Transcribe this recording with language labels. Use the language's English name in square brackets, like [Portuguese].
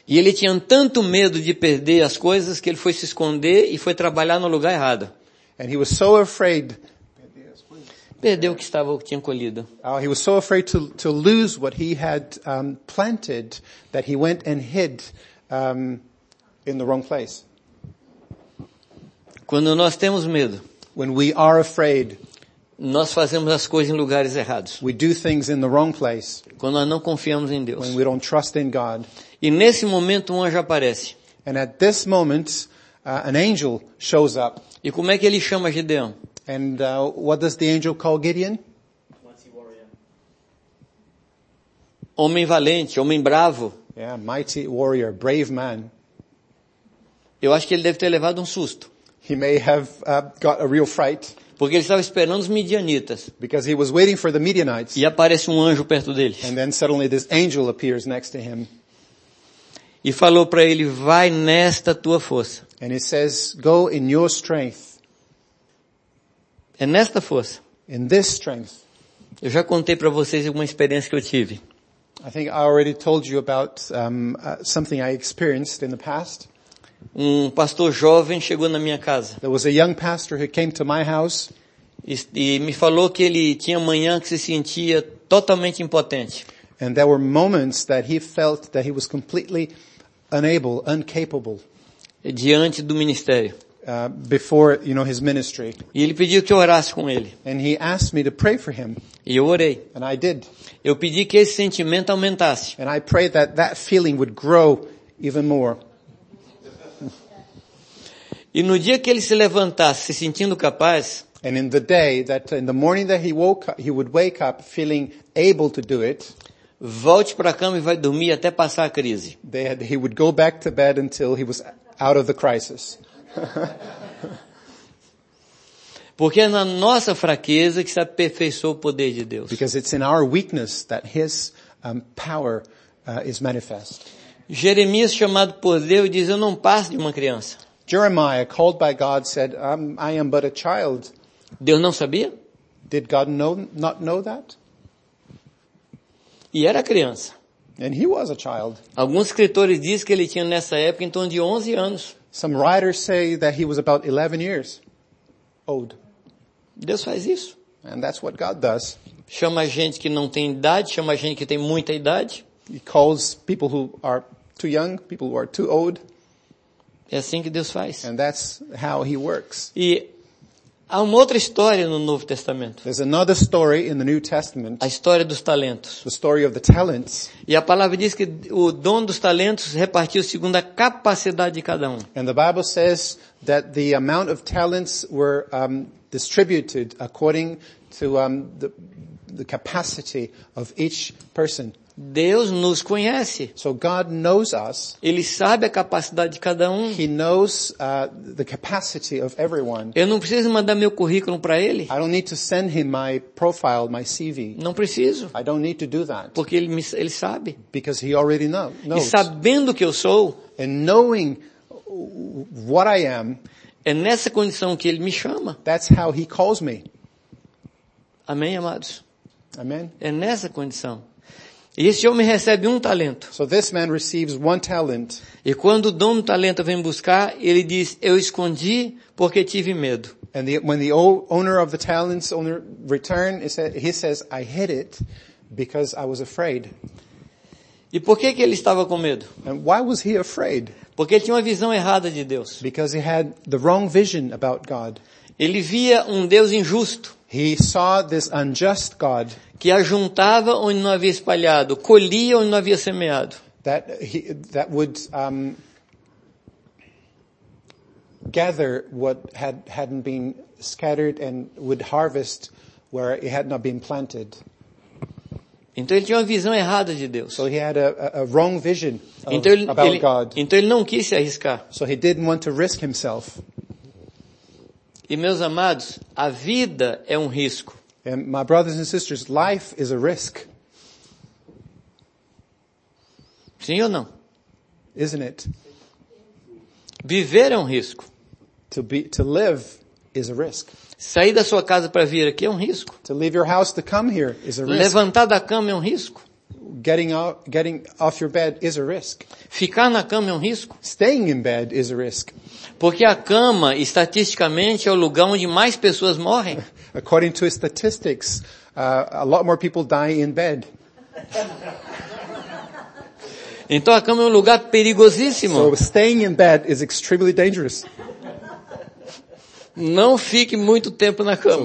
[Portuguese] E ele tinha tanto medo de perder as coisas que ele foi se esconder e foi trabalhar no lugar errado. [English] And he was so afraid. [Portuguese] Perdeu o que estava, o que tinha colhido. [English] Oh, he was so afraid to lose what he had planted that he went and hid in the wrong place. [Portuguese] Quando nós temos medo, [English] when we are afraid, [Portuguese] nós fazemos as coisas em lugares errados. [English] We do things in the wrong place. [Portuguese] Quando nós não confiamos em Deus, [English] when we don't trust in God. [Portuguese] E nesse momento um anjo aparece. [English] And at this moment, an angel shows up. [Portuguese] E como é que ele chama Gideão? [English] And what does the angel call Gideon? Mighty warrior. [Portuguese] Homem valente, homem bravo. [English] Yeah, mighty warrior, brave man. [Portuguese] Eu acho que ele deve ter levado um susto. [English] He may have got a real fright. [Portuguese] Porque ele estava esperando os midianitas. [English] Because he was waiting for the Midianites. [Portuguese] E aparece um anjo perto dele. [English] And then suddenly this angel appears next to him. [Portuguese] E falou para ele: "Vai nesta tua força." [English] And he says, "Go in your strength." [Portuguese] É nesta força. [English] In this strength. [Portuguese] Eu já contei para vocês uma experiência que eu tive. [English] I think I already told you about something I experienced in the past. [Portuguese] Um pastor jovem chegou na minha casa. [English] There was a young pastor who came to my house. [Portuguese] E me falou que ele tinha manhã que se sentia totalmente impotente. [English] And there were moments that he felt that he was completely unable, incapable. [Portuguese] Diante do ministério. [English] Before, you know, his ministry. [Portuguese] E ele pediu que eu orasse com ele. [English] And he asked me to pray for him. [Portuguese] E eu orei. [English] And I did. [Portuguese] Eu pedi que esse sentimento aumentasse. [English] And I prayed that that feeling would grow even more. [Portuguese] E no dia que ele se levantasse se sentindo capaz, [English] and in the day that in the morning that he woke up, he would wake up feeling able to do it. [Portuguese] Volte para a cama e vai dormir até passar a crise. [English] He would go back to bed until he was out of the crisis. [Portuguese] Porque é na nossa fraqueza que se aperfeiçoa o poder de Deus. [English] Because it's in our weakness that his power is manifest. [Portuguese] Jeremias, chamado por Deus, diz: "Eu não passo de uma criança." [English] Jeremiah, called by God, said, "I am but a child." [Portuguese] Deus não sabia? [English] Did God not know that? [Portuguese] E era criança. [English] And he was a child. [Portuguese] Alguns escritores dizem que ele tinha nessa época em torno de 11 anos. [English] Some writers say that he was about 11 years old. [Portuguese] Deus faz isso. [English] And that's what God does. [Portuguese] Chama gente que não tem idade, chama gente que tem muita idade. [English] He calls people who are too young, people who are too old. [Portuguese] É assim que Deus faz. [English] And that's how he works. [Portuguese] E há uma outra história no Novo Testamento. [English] There's another story in the New Testament. [Portuguese] A história dos talentos. [English] The story of the talents. [Portuguese] E a palavra diz que o dom dos talentos repartiu segundo a capacidade de cada um. [English] And the Bible says that the amount of talents were distributed according to the capacity of each person. [Portuguese] Deus nos conhece. [English] So God knows us. [Portuguese] Ele sabe a capacidade de cada um. [English] He knows the capacity of everyone. [Portuguese] Eu não preciso mandar meu currículo para ele. [English] I don't need to send him my profile, my CV. [Portuguese] Não preciso. [English] I don't need to do that. [Portuguese] Porque ele sabe. [English] Because he already knows. [Portuguese] E sabendo que eu sou, [English] and knowing what I am, [Portuguese] é nessa condição que ele me chama. [English] That's how he calls me. [Portuguese] Amém, amados. [English] Amen. [Portuguese] É nessa condição. E esse homem recebe um talento. [English] So this man receives one talent. [Portuguese] E quando o dono do talento vem buscar, ele diz: "Eu escondi porque tive medo." [English] And when the owner of the talents owner return, he says, "I hid it because I was afraid." [Portuguese] E por que que ele estava com medo? [English] And why was he afraid? [Portuguese] Porque ele tinha uma visão errada de Deus. [English] Because he had the wrong vision about God. [Portuguese] Ele via um Deus injusto. [English] He saw this unjust God. [Portuguese] Que ajuntava onde não havia espalhado, colhia onde não havia semeado. [English] That would gather what hadn't been scattered and would harvest where it had not been planted. [Portuguese] Então ele tinha uma visão errada de Deus. [English] So he had a wrong vision about God. [Portuguese] Então ele não quis se arriscar. [English] So he didn't want to risk himself. [Portuguese] E meus amados, a vida é um risco. [English] And my brothers and sisters, life is a risk. [Portuguese] Sim ou não? [English] Isn't it? [Portuguese] Viver é um risco. [English] To live is a risk. [Portuguese] Sair da sua casa para vir aqui é um risco. [English] To leave your house to come here is a risk. [Portuguese] Levantar da cama é um risco. [English] Getting off your bed is a risk. [Portuguese] Ficar na cama é um risco. [English] Staying in bed is a risk. [Portuguese] Porque a cama, estatisticamente, é o lugar onde mais pessoas morrem. [English] According to statistics, a lot more people die in bed. [Portuguese] Então a cama é um lugar perigosíssimo. [English] So staying in bed is extremely dangerous. [Portuguese] Não fique muito tempo na cama.